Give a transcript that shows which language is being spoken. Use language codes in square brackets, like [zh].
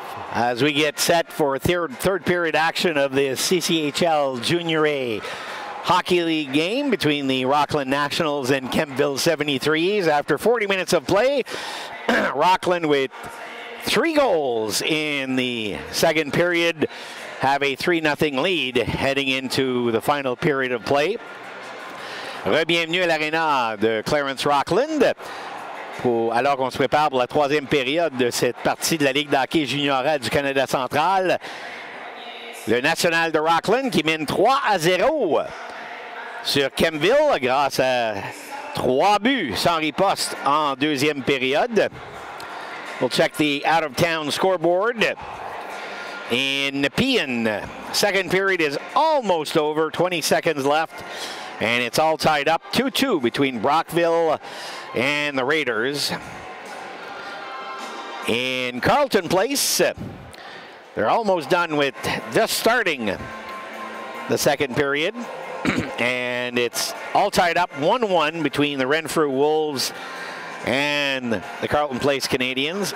[en] As we get set for third period action of the CCHL Junior A Hockey League game between the Rockland Nationals and Kemptville 73's. After 40 minutes of play, Rockland with three goals in the second period have a 3-0 lead heading into the final period of play. [fr] Re-bienvenue à l'aréna de Clarence Rockland. Alors qu'on se prépare pour la troisième période de cette partie de la Ligue d'hockey junior A du Canada central, le National de Rockland qui mène 3-0 sur Kemptville grâce à trois buts sans riposte en deuxième période. [en] We'll check the out-of-town scoreboard. In Nepean, second period is almost over, 20 seconds left, and it's all tied up 2-2 between Brockville and the Raiders. In Carlton Place, they're almost done with just starting the second period, and it's all tied up 1-1 between the Renfrew Wolves and the Carlton Place Canadians.